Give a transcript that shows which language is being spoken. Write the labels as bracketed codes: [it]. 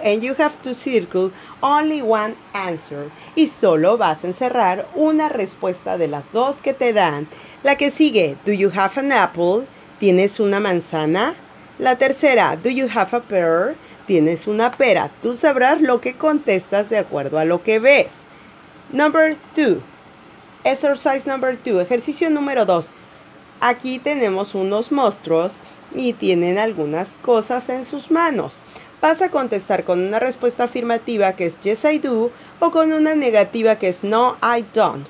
[en] And you have to circle only one answer. [es] Y solo vas a encerrar una respuesta de las dos que te dan. La que sigue, [en] do you have an apple? [es] ¿Tienes una manzana? La tercera, [en] do you have a pear? [es] ¿Tienes una pera? Tú sabrás lo que contestas de acuerdo a lo que ves. [en] Number two. Exercise number two. [es] Ejercicio número dos. Aquí tenemos unos monstruos y tienen algunas cosas en sus manos. Vas a contestar con una respuesta afirmativa que es [en] yes I do [es] o con una negativa que es [en] no I don't.